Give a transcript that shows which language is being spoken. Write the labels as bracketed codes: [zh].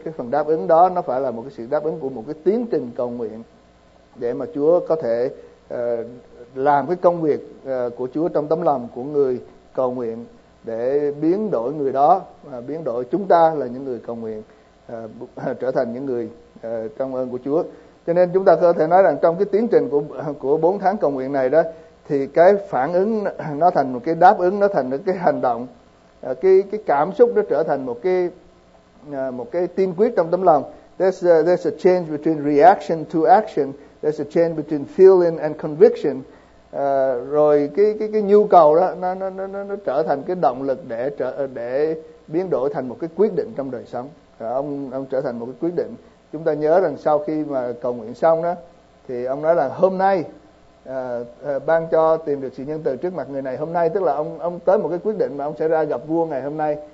[vi] Cái phần đáp ứng đó nó phải là một cái sự đáp ứng của một cái tiến trình cầu nguyện để mà Chúa có thể làm cái công việc của Chúa trong tấm lòng của người cầu nguyện, để biến đổi người đó, biến đổi chúng ta là những người cầu nguyện trở thành những người trong ơn của Chúa. Cho nên chúng ta có thể nói rằng trong cái tiến trình của 4 tháng cầu nguyện này đó, thì cái phản ứng nó thành một cái đáp ứng, nó thành một cái hành động, cái cảm xúc nó trở thành một cái tiên quyết trong tấm lòng. [en] There's a change between reaction to action, there's a change between feeling and conviction. [vi] Rồi cái nhu cầu đó nó trở thành cái động lực để biến đổi thành một cái quyết định trong đời sống. Ông trở thành một cái quyết định. Chúng ta nhớ rằng sau khi mà cầu nguyện xong đó, thì ông nói là hôm nay ban cho tìm được sự nhân từ trước mặt người này hôm nay, tức là ông tới một cái quyết định mà ông sẽ ra gặp vua ngày hôm nay.